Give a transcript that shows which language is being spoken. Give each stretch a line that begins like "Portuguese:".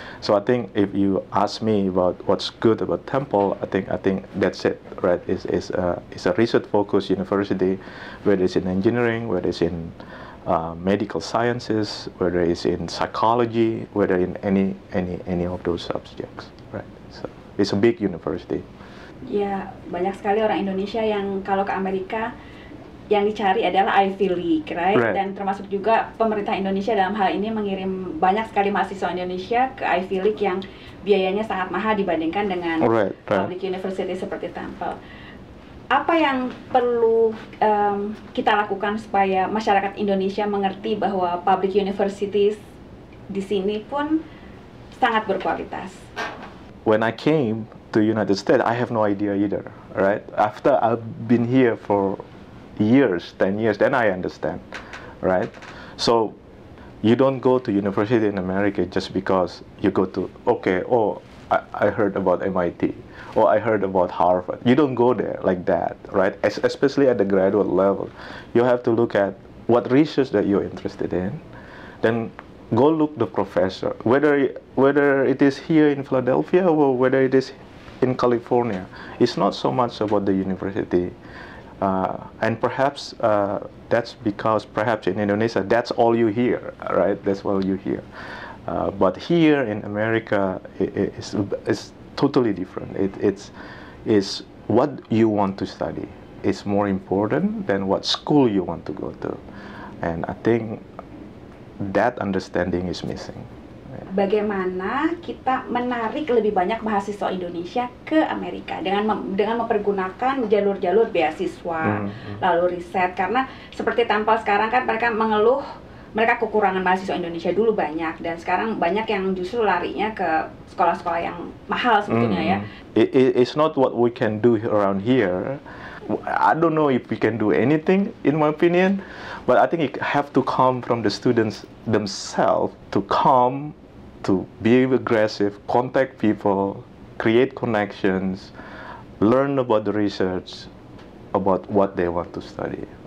English: So I think if you ask me about what's good about Temple, I think that's it, right? It's a research-focused university, whether it's in engineering, whether it's in medical sciences, whether it's in psychology, whether in any of those subjects, right? So it's a big university.
Indonesian: Yeah, banyak sekali orang Indonesia yang kalau ke Amerika yang dicari adalah Ivy League, right?
English: Right?
Indonesian: Dan termasuk juga pemerintah Indonesia dalam hal ini mengirim banyak sekali mahasiswa Indonesia ke Ivy League yang biayanya sangat mahal dibandingkan dengan public university seperti Temple. Apa yang perlu kita lakukan supaya masyarakat Indonesia mengerti bahwa public universities di sini pun sangat berkualitas?
English: When I came to United States, I have no idea either, right? After I've been here for years, 10 years, then I understand, right? So you don't go to university in America just because you go to, okay, oh, I heard about MIT, or I heard about Harvard. You don't go there like that, right? Especially at the graduate level. You have to look at what research that you're interested in, then go look the professor, whether it is here in Philadelphia or whether it is in California. It's not so much about the university. And perhaps that's because perhaps in Indonesia that's all you hear, right? That's all you hear. But here in America, it's totally different. It's what you want to study. It's more important than what school you want to go to. And I think that understanding is missing.
Indonesian: Bagaimana kita menarik lebih banyak mahasiswa Indonesia ke Amerika dengan mempergunakan jalur-jalur beasiswa, lalu riset, karena seperti Temple sekarang kan mereka mengeluh mereka kekurangan mahasiswa Indonesia dulu banyak, dan sekarang banyak yang justru larinya ke sekolah-sekolah yang mahal sebetulnya. Ya,
English: it's not what we can do around here. I don't know if we can do anything, in my opinion, but I think it have to come from the students themselves to come, to be aggressive, contact people, create connections, learn about the research, about what they want to study.